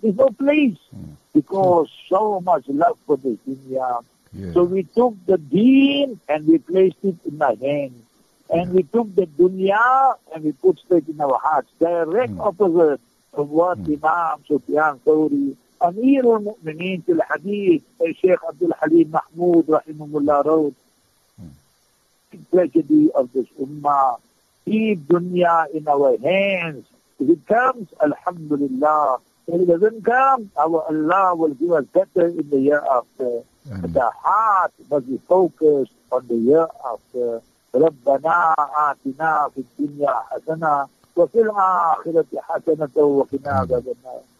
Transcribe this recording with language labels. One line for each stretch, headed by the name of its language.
English: There's no place because so much love for the dunya. Yeah. So we took the deen and we placed it in our hands. And we took the dunya and we put it in our hearts. Direct opposite of what Imam Sufyan Thawri
Arabic: أمير المؤمنين في الحديث الشيخ عبد الحليم محمود رحمه الله رود
English: the tragedy of this ummah. Keep dunya in our hands. If it comes, alhamdulillah. If it doesn't come, our Allah will give us better in the year after. Amen. The heart must be focused on the year after.
Arabic: رَبَّنَا آتِنَا فِي الدُّنْيَا حَسَنًا وَفِي الْآخِرَةِ حَسَنَةً وَقِنَا عَذَابَ النَّارِ.